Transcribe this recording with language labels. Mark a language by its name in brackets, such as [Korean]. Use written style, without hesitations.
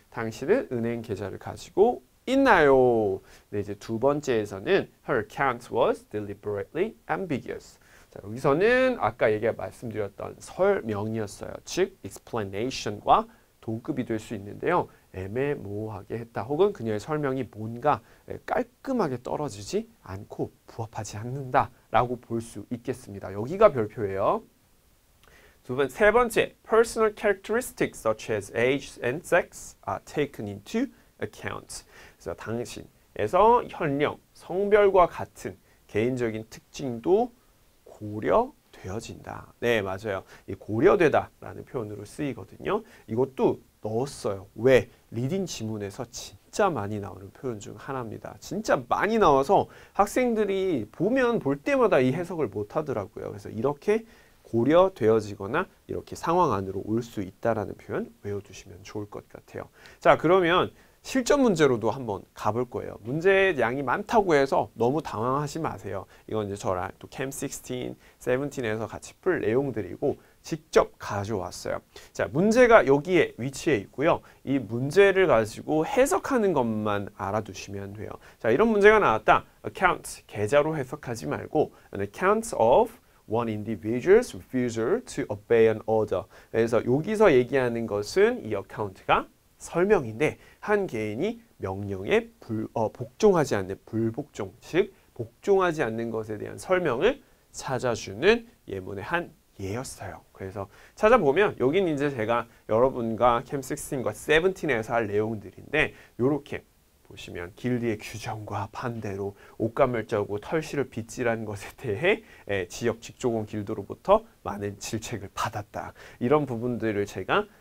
[Korean] 당신은 은행 계좌를 가지고 있나요? 네, 이제 두 번째에서는 [English] Her account was deliberately ambiguous. [Korean] 자, 여기서는 아까 얘기 말씀드렸던 설명이었어요. 즉, explanation과 동급이 될수 있는데요. 애매모호하게 했다. 혹은 그녀의 설명이 뭔가 깔끔하게 떨어지지 않고 부합하지 않는다. 라고 볼수 있겠습니다. 여기가 별표예요. 세 번째, [English] personal characteristics such as age and sex are taken into account. [Korean] 그래서 당신에서 연령, 성별과 같은 개인적인 특징도 고려되어진다. 네, 맞아요. 이 고려되다라는 표현으로 쓰이거든요. 이것도 넣었어요. 왜? 리딩 지문에서 진짜 많이 나오는 표현 중 하나입니다. 진짜 많이 나와서 학생들이 보면 볼 때마다 이 해석을 못 하더라고요. 그래서 이렇게 고려되어지거나 이렇게 상황 안으로 올수 있다라는 표현 외워두시면 좋을 것 같아요. 자, 그러면 실전 문제로도 한번 가볼 거예요. 문제 양이 많다고 해서 너무 당황하지 마세요. 이건 이제 저랑 또 캠 16, 17에서 같이 풀 내용들이고 직접 가져왔어요. 자, 문제가 여기에 위치해 있고요. 이 문제를 가지고 해석하는 것만 알아두시면 돼요. 자, 이런 문제가 나왔다. [English] Account, [Korean] 계좌로 해석하지 말고 [English] an account of one individual's refusal to obey an order. [Korean] 그래서 여기서 얘기하는 것은 이 account가 설명인데 한 개인이 명령에 복종하지 않는 불복종, 즉 복종하지 않는 것에 대한 설명을 찾아주는 예문의 한 예였어요. 그래서 찾아보면 여긴 이제 제가 여러분과 캠 16과 17에서 할 내용들인데 요렇게 보시면 길드의 규정과 반대로 옷감을 짜고 털실을 빗질한 것에 대해 지역 직조공 길드로부터 많은 질책을 받았다. 이런 부분들을 제가